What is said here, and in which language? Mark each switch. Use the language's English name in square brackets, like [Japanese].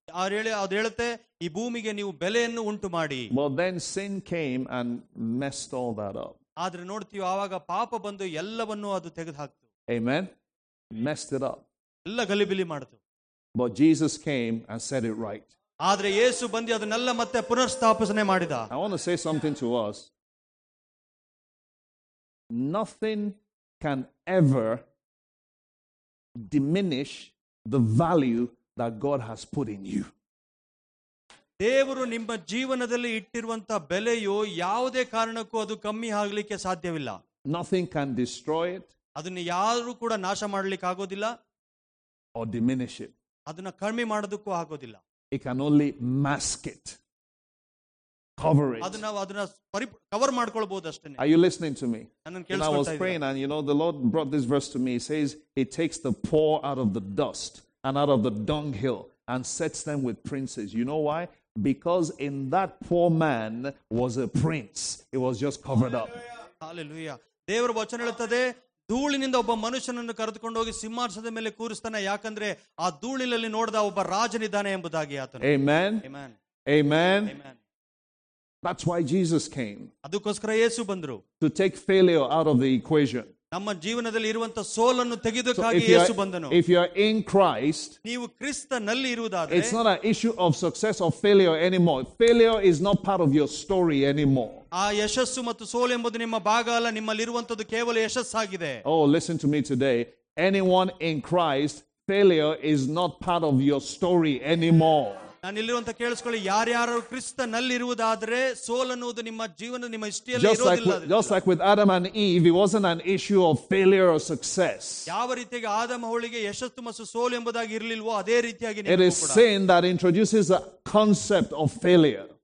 [Kannada] ಅವರು ಹೇಳುತ್ತೆ, ಈ ಭೂಮಿಗೆ ನೀವು ಬೆಲೆಯನ್ನು ಉಂಟು ಮಾಡಿ. [English] Well, then sin came and messed all that up. [Kannada] ಆದ್ರೆ ನೋಡ್ತೀವಿ ಆವಾಗ ಪಾಪ ಬಂದು ಎಲ್ಲವನ್ನೂ ಅದು ತೆಗೆದುಹಾಕ್ತು. [English] Amen. Messed it up. [Kannada] ಎಲ್ಲ ಗಲಿಬಿಲಿ ಮಾಡಿತು. [English] But Jesus came and set it right. [Kannada] ಆದರೆ ಯೇಸು ಬಂದು ಅದನ್ನೆಲ್ಲ ಮತ್ತೆ ಪುನರ್ಸ್ಥಾಪನೆ ಮಾಡಿದ. [English] I want to say something to us. Nothing can ever diminish the value that God has put in you. [Kannada] ದೇವರು ನಿಮ್ಮ ಜೀವನದಲ್ಲಿ ಇಟ್ಟಿರುವಂತಹ ಬೆಲೆಯು ಯಾವುದೇ ಕಾರಣಕ್ಕೂ ಅದು ಕಮ್ಮಿ ಆಗಲಿಕ್ಕೆ ಸಾಧ್ಯವಿಲ್ಲ. [English] Nothing can destroy it. [Kannada] ಅದನ್ನು ಯಾರು ಕೂಡ ನಾಶ ಮಾಡಲಿಕ್ಕೆ ಆಗೋದಿಲ್ಲ. [English] Or diminish it. [Kannada] ಅದನ್ನ ಕಡಿಮೆ ಮಾಡೋದಕ್ಕೂ ಆಗೋದಿಲ್ಲ. [English] It can only mask it. Cover it. [Kannada] ಅದನ್ನ ಕವರ್ ಮಾಡ್ಕೊಳ್ಬಹುದು ಅಷ್ಟೇ. [English] Are you listening to me? [Kannada] ನನ್ನ ಕೇಳಿಸ್ತಾ ಇದೆ. [English] I was praying and you know the Lord brought this verse to me. He says he takes the poor out of the dust and out of the dunghill and sets them with princes. You know why? Because in that poor man was a prince. It was just covered up. Hallelujah. [Kannada] ದೇವರ ವಚನ ಹೇಳುತ್ತದೆ, ಧೂಳಿನಿಂದ ಒಬ್ಬ ಮನುಷ್ಯನನ್ನು ಕರೆದುಕೊಂಡು ಹೋಗಿ ಸಿಂಹಾಸನದ ಮೇಲೆ ಕೂರಿಸ್ತಾನೆ, ಯಾಕಂದ್ರೆ ಆ ಧೂಳಿನಲ್ಲಿ ನೋಡಿದ ಒಬ್ಬ ರಾಜನಿದ್ದಾನೆ ಎಂಬುದಾಗಿ ಆತನು. [English] Amen. Amen. That's why Jesus came. [Kannada] ಅದಕ್ಕೋಸ್ಕರ ಯೇಸು ಬಂದರು. [English] To take failure out of the equation. [Kannada] ನಮ್ಮ ಜೀವನದಲ್ಲಿ ಇರುವಂತಹ ಸೋಲನ್ನು ತೆಗೆದುಕಾಗಿ ಯೇಸು ಬಂದನು. [English] If you are in Christ, [Kannada] ನೀವು ಕ್ರಿಸ್ತನಲ್ಲಿ ಇರುವುದಾದರೆ, [English] it's not an issue of success or failure anymore. Failure is not part of your story anymore. [Kannada] ಆ ಯಶಸ್ಸು ಮತ್ತು ಸೋಲು ಎಂಬುದು ನಿಮ್ಮ ಭಾಗ ಅಲ್ಲ, ನಿಮ್ಮಲ್ಲಿ ಇರುವಂತದ್ದು ಕೇವಲ ಯಶಸ್ಸಾಗಿದೆ. [English] Oh, listen to me today. Anyone in Christ, failure is not part of your story anymore. [Kannada] ನಾನು ಇಲ್ಲಿರುವಂತ ಕೇಳಿಸ್ಕೊಳ್ಳಿ, ಯಾರ್ಯಾರು ಕ್ರಿಸ್ತನಲ್ಲಿ ಇರುವುದಾದ್ರೆ ಸೋಲ್ ಅನ್ನುವುದು ನಿಮ್ಮ ಜೀವನ ನಿಮ್ಮ ಇಷ್ಟೇ. ಸಕ್ಸೆಸ್ ಯಾವ ರೀತಿಯಾಗಿ ಆದಮ ಅವಳಿಗೆ ಯಶಸ್ಸು ಮತ್ತು ಸೋಲ್ ಎಂಬುದಾಗಿ ಇರಲಿಲ್ವೋ ಅದೇ ರೀತಿಯಾಗಿ [English] Introduces concept of failure.